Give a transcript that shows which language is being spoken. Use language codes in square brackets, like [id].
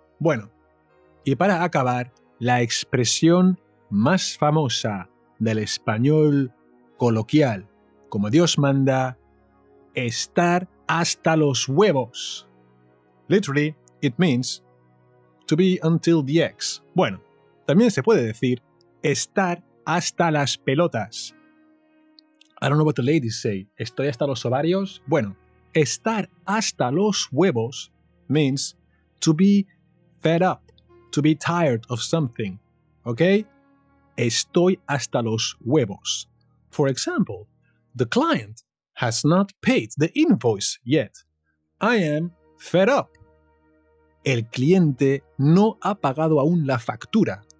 [es] Bueno, y para acabar, la expresión más famosa del español coloquial, como Dios manda, estar hasta los huevos. [en] Literally, it means to be until the ex. [es] Bueno, también se puede decir estar hasta las pelotas. [en] I don't know what the ladies say. [es] ¿Estoy hasta los ovarios? Bueno, estar hasta los huevos [en] means to be fed up, to be tired of something. Okay? [es] Estoy hasta los huevos. [en] For example, the client has not paid the invoice yet. I am fed up. [es] El cliente no ha pagado aún la factura.